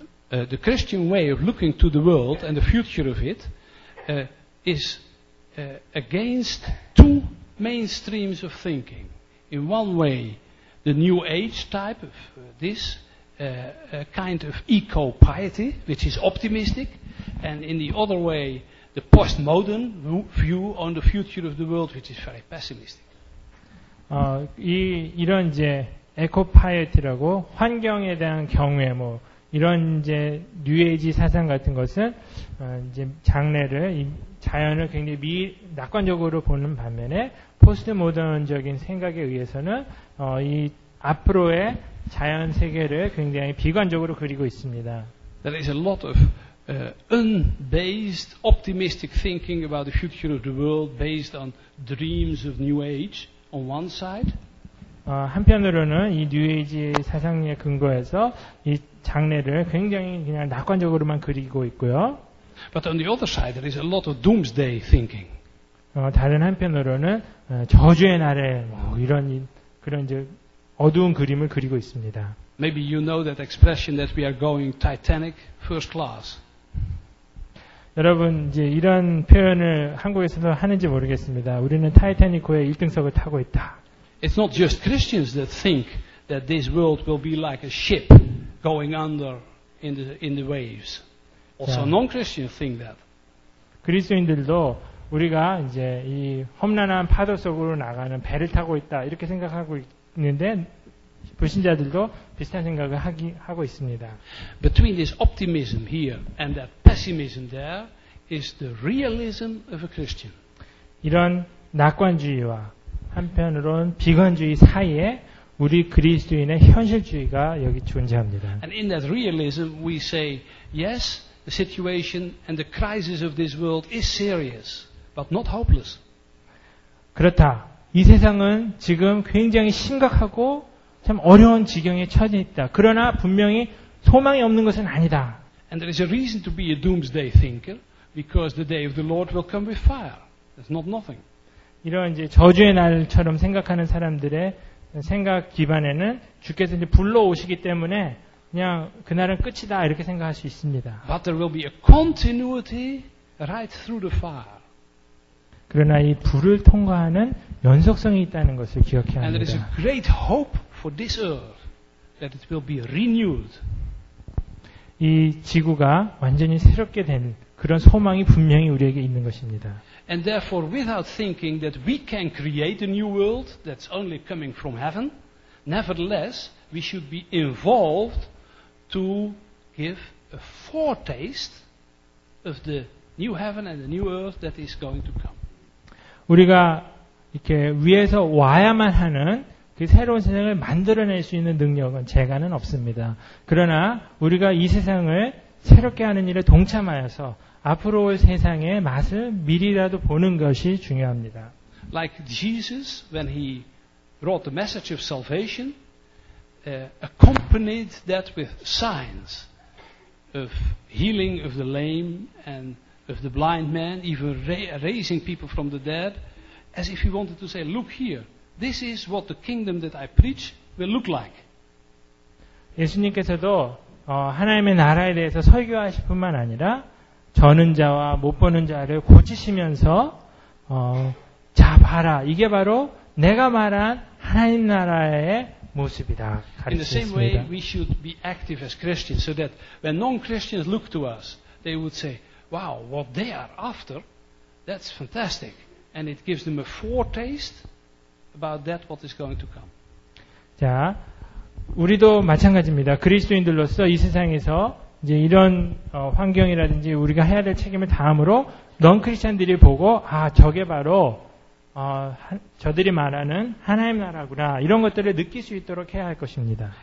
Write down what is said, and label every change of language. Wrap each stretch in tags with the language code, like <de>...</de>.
<en>The Christian way of looking to the world and the future of it is against two main streams of thinking. In one way, the New Age type of this. A kind of eco-piety, which is optimistic, and in the other way, the postmodern view on the future of the world, which is very pessimistic.</en> <ko>이런 이제 eco-piety라고 환경에 대한 경외, 뭐 이런 이제 뉴에이지 사상 같은 것은 이제 장래를 이 자연을 굉장히 낙관적으로 보는 반면에 포스트모던적인 생각에 의해서는 이 앞으로의 자연 세계를 굉장히 비관적으로 그리고 있습니다.</ko> <en>There is a lot of unbased optimistic thinking about the future of the world based on dreams of New Age on one side.</en> <ko>한편으로는 이 뉴에이지 사상에 근거해서 이 장래를 굉장히 그냥 낙관적으로만 그리고 있고요.</ko> <en>But on the other side, there is a lot of doomsday thinking.</en> <ko>다른 한편으로는 저주의 날에 뭐 이런 그런 이제 어두운 그림을 그리고 있습니다.</ko> <en>Maybe you know that expression that we are going Titanic first class.</en> <ko>여러분 이제 이런 표현을 한국에서도 하는지 모르겠습니다. 우리는 타이타닉호의 1등석을 타고 있다.</ko> <en>It's not just Christians that think that this world will be like a ship going under in the waves. Also non-Christians think that.</en> <ko>그리스도인들도 우리가 이제 이 험난한 파도 속으로 나가는 배를 타고 있다 이렇게 생각하고 있는데 불신자들도 비슷한 생각을 하고 있습니다.</ko> <en>Between this optimism here and that pessimism there is the realism of a Christian.</en> <ko>이런 낙관주의와 한편으론 비관주의 사이에 우리 그리스도인의 현실주의가 여기 존재합니다.</ko> <en>And in that realism we say yes, the situation and the crisis of this world is serious. But not hopeless.</en> <ko>그렇다. 이 세상은 지금 굉장히 심각하고 참 어려운 지경에 처해 있다. 그러나 분명히 소망이 없는 것은 아니다.</ko> <en>And there is a reason to be a doomsday thinker because the day of the Lord will come with fire. That's not nothing.</en> <ko>이런 이제 저주의 날처럼 생각하는 사람들의 생각 기반에는 주께서 이제 불로 오시기 때문에 그냥 그날은 끝이다 이렇게 생각할 수 있습니다.</ko> <en>But there will be a continuity right through the fire.</en> <ko>그러나 이 불을 통과하는 연속성이 있다는 것을 기억해야 합니다.</ko> <en>And there is a great hope for this earth that it will be renewed.</en> <ko>이 지구가 완전히 새롭게 된 그런 소망이 분명히 우리에게 있는 것입니다.</ko> <en>And therefore without thinking that we can create a new world that's only coming from heaven, nevertheless we should be involved to give a foretaste of the new heaven and the new earth that is going to come.</en> <ko>우리가 이렇게 위에서 와야만 하는 그 새로운 세상을 만들어낼 수 있는 능력은 재간은 없습니다. 그러나 우리가 이 세상을 새롭게 하는 일에 동참하여서 앞으로 올 세상의 맛을 미리라도 보는 것이 중요합니다.</ko> <en>Like Jesus, when he wrote the message of salvation, accompanied that with signs of healing of the lame and of the blind man, even raising people from the dead, as if he wanted to say, look here, this is what the kingdom that I preach will look like.</en> <ko>예수님께서도 하나님의 나라에 대해서 설교하실 뿐만 아니라 저는 자와 못 보는 자를 고치시면서 자 봐라, 이게 바로 내가 말한 하나님 나라의 모습이다.</ko> <en>In the same way, we should be active as Christians so that when non-Christians look to us, they would say, Wow, what they are after, that's fantastic. And it gives them a foretaste about that what is going to come.</en> <ko>자, 우리도 마찬가지입니다. 그리스도인들로서 이 세상에서 이제 이런 환경이라든지 우리가 해야 될 책임을 다함으로 넌크리스천들이 보고, 아, 저게 바로 저들이 말하는 하나님 나라구나. 이런 것들을 느낄 수 있도록 해야 할 것입니다.</ko>